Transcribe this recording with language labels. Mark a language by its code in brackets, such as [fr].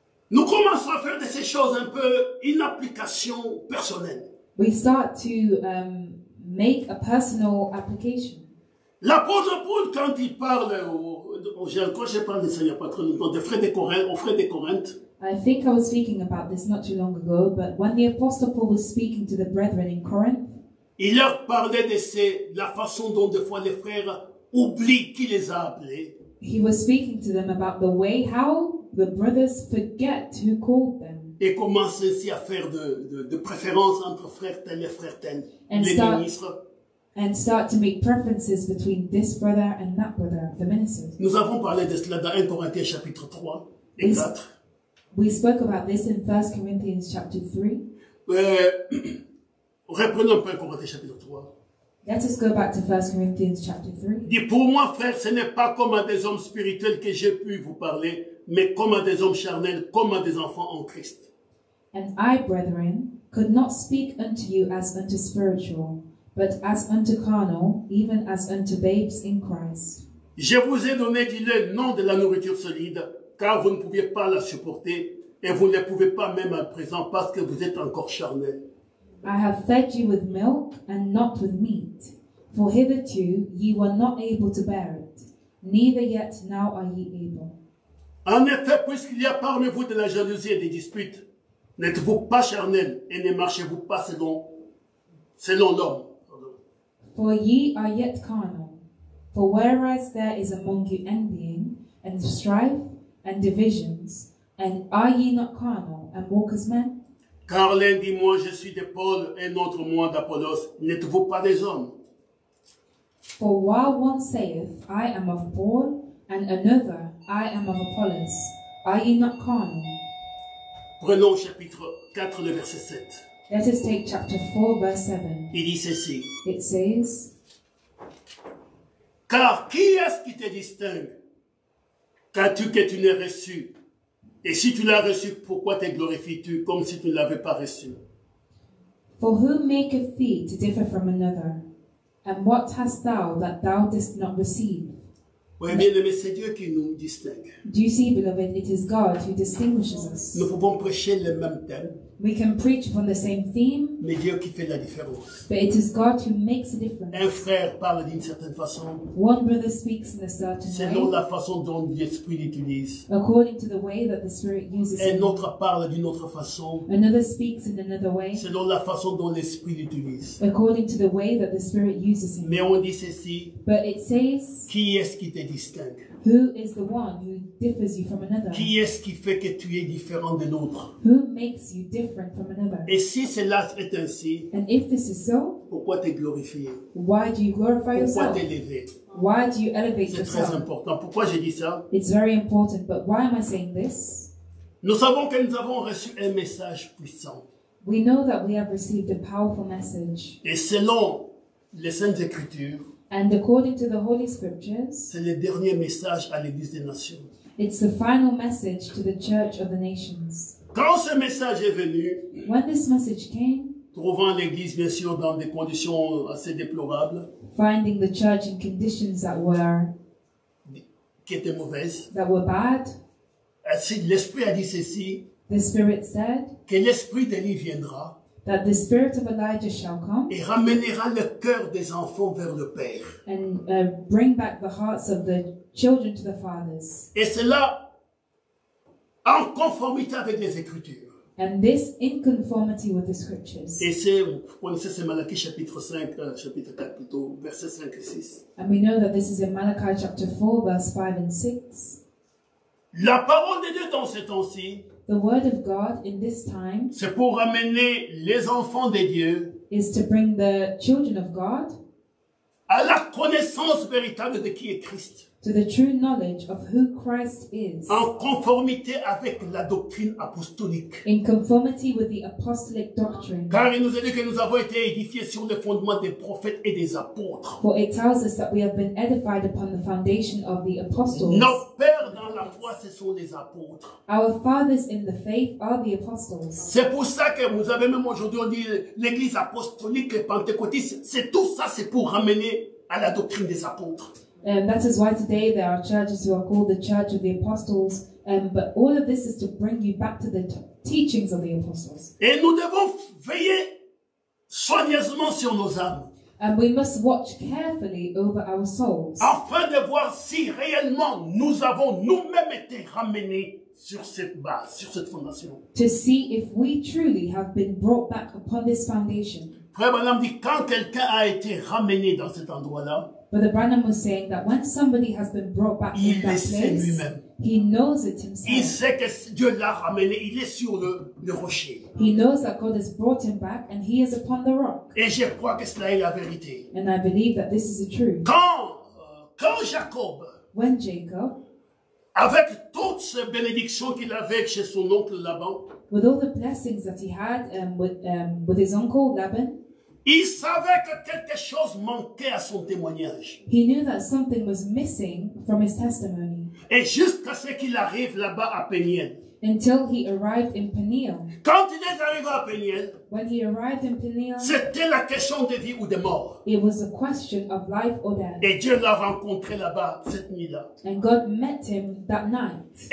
[fr] Nous commençons à faire de ces choses un peu une application personnelle. [en] We start to make a personal application. [fr] L'apôtre Paul, quand il parle quand je parle de Seigneur Patron, donc des frères de Corinthe, aux frères de Corinthe. [en] I think I was speaking about this not too long ago, but when the apostle Paul was speaking to the brethren in Corinth, [fr] il leur parlait de la façon dont des fois les frères oublient qui les a appelés. [en] He was speaking to them about the way how the brothers forget who called them. [fr] Et commence ainsi à faire de préférence entre frères tels et frères tels, les ministres. [en] And start to make preferences between this brother and that brother, the ministers. [fr] Nous avons parlé de cela dans 1 Corinthiens chapitre 3 et 4. [en] We spoke about this in 1 Corinthians chapter 3. [fr] Reprenons 1 Corinthiens chapitre 3. [en] Let us go back to 1 Corinthians chapter 3. [fr] Dis pour moi, frère, ce n'est pas comme à des hommes spirituels que j'ai pu vous parler, mais comme à des hommes charnels, comme à des enfants en Christ. [en] And I, brethren, could not speak unto you as unto spiritual, but as unto carnal, even as unto babes in Christ. [fr] Je vous ai donné, dis-le, non de la nourriture solide, car vous ne pouviez pas la supporter, et vous ne pouvez pas même à présent, parce que vous êtes encore charnel. [en] I have fed you with milk and not with meat, for hitherto ye were not able to bear it, neither yet now are ye able. [fr] En effet, puisqu'il y a parmi vous de la jalousie et des disputes, n'êtes-vous pas charnel et ne marchez-vous pas selon l'homme? [en] For ye are yet carnal, for whereas there is among you envying and strife and divisions, and are ye not carnal and walk as men? [fr] Car l'un dit, moi je suis de Paul, et l'autre moi d'Apollos, n'êtes-vous pas des hommes? [en] For while one saith, I am of Paul, and another, I am of Apollos, are ye not carnal? [fr] Prenons chapitre 4, le verset 7. [en] Let us take chapter 4, verse 7. [fr] Il dit ceci. [en] It says, [fr] car qui est-ce qui te distingue? Qu'as-tu que tu n'aies reçu? Et si tu l'as reçu, pourquoi te glorifies-tu comme si tu ne l'avais pas reçu? [en] For who maketh thee to differ from another? And what hast thou that thou didst not receive? [fr] Oui, bien-aimé, c'est Dieu qui nous distingue. [en] Do you see, beloved, it is God who distinguishes us. [fr] Nous pouvons prêcher le même thème. [en] We can preach upon the same theme. [fr] Mais Dieu qui fait la différence. [en] But it is God who makes a difference. [fr] Un frère parle d'une certaine façon. [en] One brother speaks in a certain [fr] selon [en] way. [fr] Selon la façon dont l'Esprit l'utilise. [en] According to the way that the Spirit uses [fr] it. Un autre parle d'une autre façon. [en] Another speaks in another way. [fr] Selon la façon dont l'Esprit l'utilise. [en] According to the way that the Spirit uses it. [fr] Mais on dit ceci. [en] But it says, [fr] qui est-ce qui te distingue? [en] Who is the one who differs you from another? [fr] Qui est-ce qui fait que tu es différent de l'autre? [en] Who makes you different from another? [fr] Et si cela est ainsi, [en] and if this is so, [fr] pourquoi te glorifier? [en] Why do you glorify yourself? [fr] Pourquoi t'élever? [en] Why do you elevate [fr] c'est [en] yourself? [fr] C'est très important. Pourquoi j'ai dit ça? [en] It's very important, but why am I saying this? [fr] Nous savons que nous avons reçu un message puissant. [en] We know that we have received a powerful message. [fr] Et selon les Saintes Écritures, [en] and according to the Holy Scriptures, [fr] c'est le dernier message à l'Église des Nations. [en] It's the final message to the Church of the Nations. [fr] Quand ce message est venu, [en] when this message came, [fr] trouvant l'Église bien sûr dans des conditions assez déplorables, [en] finding the Church in conditions that were [fr] qui étaient mauvaises, [en] that were bad, [fr] ainsi l'Esprit a dit ceci, [en] the Spirit said, [fr] que l'Esprit d'Élie viendra. [en] That the spirit of Elijah shall come, [fr] et ramènera le cœur des enfants vers le Père. [en] And bring back the hearts of the children to the fathers. [fr] Et cela en conformité avec les Écritures. [en] And this in conformity with the Scriptures. [fr] Et c'est, vous connaissez, c'est Malachi chapitre 5, chapitre 4 plutôt, versets 5 et 6. [en] And we know that this is in Malachi chapter 4, verse 5 and 6. [fr] La parole de Dieu dans ce temps-ci, [en] the word of God in this time, [fr] c'est pour ramener les enfants de Dieu, [en] is to bring the children of God, [fr] à la connaissance véritable de qui est Christ, [en] to the true knowledge of who Christ is, [fr] en conformité avec la doctrine apostolique, [en] in conformity with the apostolic doctrine, [fr] car il nous a dit que nous avons été édifiés sur le fondement des prophètes et des apôtres. [en] For it tells us that we have been edified upon the foundation of the apostles. [fr] Nos pères dans la foi, ce sont les apôtres. [en] Our fathers in the faith are the apostles. [fr] C'est pour ça que vous avez même aujourd'hui, on dit l'église apostolique et pentecôtiste, c'est tout ça, c'est pour ramener à la doctrine des apôtres. [en] And that is why today there are churches who are called the Church of the Apostles. But all of this is to bring you back to the teachings of the Apostles. [fr] Et nous devons veiller soigneusement sur nos âmes. [en] And we must watch carefully over our souls. [fr] Afin de voir si réellement nous avons nous-mêmes été ramenés sur cette base, sur cette fondation. [en] To see if we truly have been brought back upon this foundation. [fr] Frère Branham dit, quand quelqu'un a été ramené dans cet endroit-là, [en] but the Branham was saying that when somebody has been brought back to that place, [fr] lui-même. [en] He knows it himself. [fr] Il sait que Dieu l'a ramené, il est sur le rocher. [en] He knows that God has brought him back and he is upon the rock. [fr] Et je crois que cela est la vérité. [en] And I believe that this is the truth. [fr] Quand Jacob, [en] when Jacob, [fr] avec toutes ces bénédictions qu'il avait chez son oncle Laban, [en] with all the blessings that he had with his uncle Laban, [fr] il savait que quelque chose manquait à son témoignage. [en] He knew that something was missing from his testimony. [fr] Et jusqu'à ce qu'il arrive là-bas à Peniel. [en] Until he arrived in Peniel. [fr] Quand il est arrivé à Peniel, [en] when he arrived in Peniel, [fr] c'était la question de vie ou de mort. [en] It was a question of life or death. [fr] Et Dieu l'a rencontré là-bas cette nuit-là. [en] And God met him that night.